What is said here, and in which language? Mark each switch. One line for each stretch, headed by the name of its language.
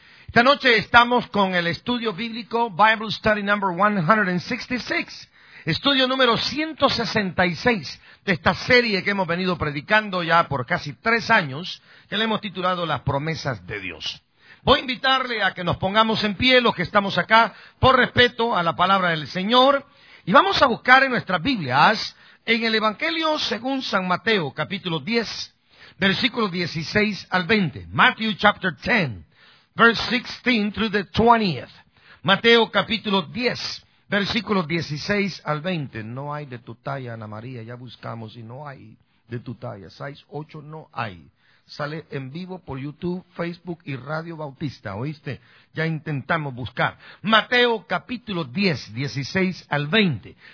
Spanish: Esta noche estamos con el estudio bíblico
English: Bible Study Number 166,
Spanish: estudio número 166 de esta serie que hemos venido predicando ya por casi 3 años, que le hemos titulado Las Promesas de Dios. Voy a invitarle a que nos pongamos en pie los que estamos acá por respeto a la palabra del Señor y vamos a buscar en nuestras Biblias en el Evangelio según San Mateo, capítulo 10, versículos 16 al 20.
English: Matthew chapter 10, verse 16 through the 20th.
Spanish: Mateo, capítulo 10, versículos 16 al 20. No hay de tu talla, Ana María, ya buscamos y no hay de tu talla. 6-8 no hay. Sale en vivo por YouTube, Facebook y Radio Bautista, ¿oíste? Ya intentamos buscar. Mateo capítulo 10, 16 al 20.